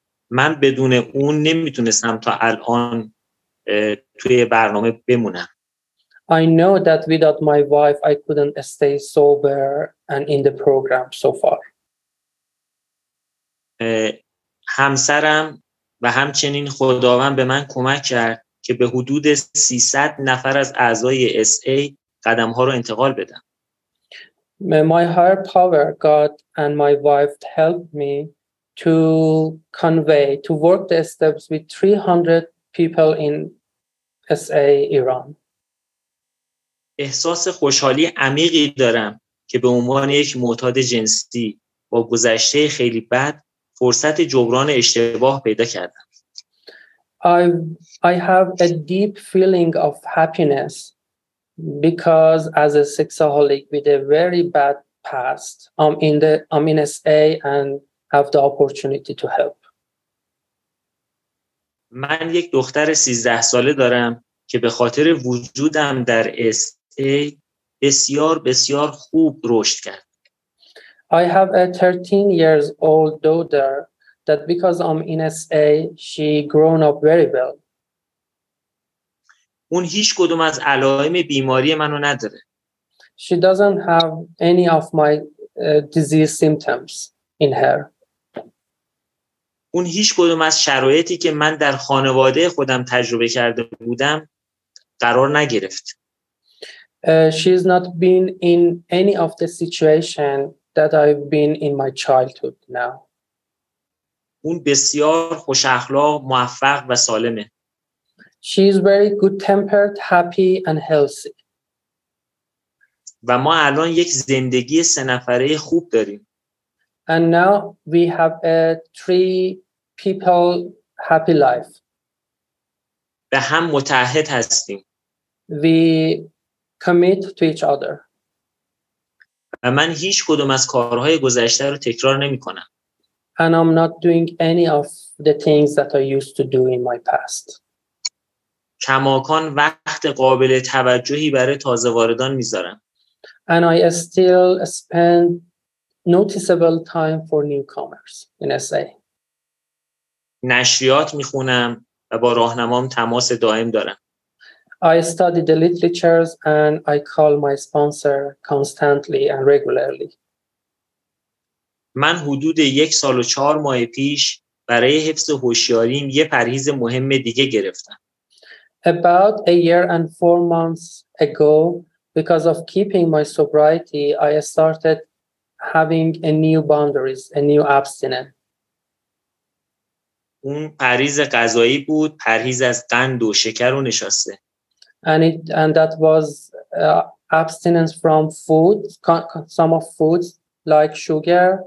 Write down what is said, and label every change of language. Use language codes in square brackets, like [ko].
[fa] من بدون اون نمیتونستم تا الان توی برنامه بمونم. [en] I know that without my wife I couldn't stay sober and in the program so far. [fa] همسرم و همچنین خداوند به من کمک کرد که به حدود 300 نفر از اعضای SA قدم ها رو انتقال بدم. [en] My higher power, God, and my wife helped me to convey, to work the steps with 300 people in SA Iran. [fa] احساس خوشحالی عمیقی دارم که به عنوان یک معتاد جنسی با گذشته خیلی بد فرصت جبران اشتباه پیدا کردم. [en] I have a deep feeling of happiness because as a sexaholic with a very bad past, I'm in SA and have the opportunity to help. [fa] من یک دختر 13 ساله دارم که به خاطر وجودم در SA بسیار بسیار خوب رشد کرد. [en] I have a 13 years old daughter that because I'm in SA she grown up very well. [fa] اون هیچ کدوم از علائم بیماری منو نداره. [en] She doesn't have any of my disease symptoms in her. [fa] اون هیچ کدوم از شرایطی که من در خانواده خودم تجربه کرده بودم قرار نگرفت. [en] She is not been in any of the situation that I've been in my childhood now. [fa] اون بسیار خوش اخلاق، موفق و سالمه. [en] She is very good tempered, happy and healthy. [fa] و ما الان یک زندگی سه نفره خوب داریم. [en] And now we have a three people happy life. [fa] به هم متعهد هستیم. [en] We commit to each other. [fa] و من هیچ کدوم از کارهای گذشته رو تکرار نمی کنم. [en] And I'm not doing any of the things that I used to do in my past. [fa] کماکان وقت قابل توجهی برای تازه واردان میذارم. [en] And I still spend noticeable time for newcomers in SA. [fa] نشریات میخونم و با راهنمام تماس دائم دارم. [en] I study the literatures and I call my sponsor constantly and regularly. [fa] من حدود 1 سال و 4 ماه پیش برای حفظ هوشیاریم یه پرهیز مهم دیگه گرفتم. [en] About a year and 4 months ago, because of keeping my sobriety, I started having a new boundaries, a new abstinence. [fa] اون پرهیز غذایی بود، پرهیز از قند و شکر و نشاسته. [en] And that was abstinence from food, some of foods like sugar.